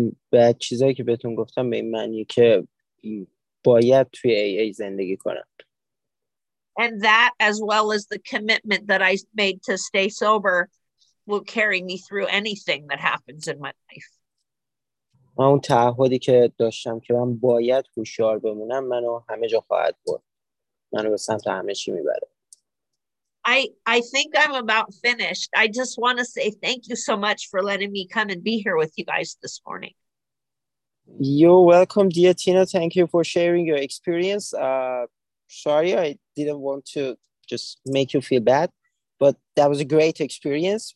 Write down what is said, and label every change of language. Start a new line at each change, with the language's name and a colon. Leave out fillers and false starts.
Persian: بعد چیزایی که بهتون گفتم به این معنیه که باید توی AA زندگی کنم.
English: And that, as well as the commitment that I made to stay sober, will carry me through anything that happens in my life.
Persian: اون تعهدی که داشتم که من باید هوشیار بمونم منو همه جا خواهد برد. منو به سمت همه چی میبره.
English: I think I'm about finished. I just want to say thank you so much for letting me come and be here with you guys this morning. You're welcome, dear Tina. Thank you for sharing your experience. Sorry, I didn't want to just make you feel bad, but that was a great experience.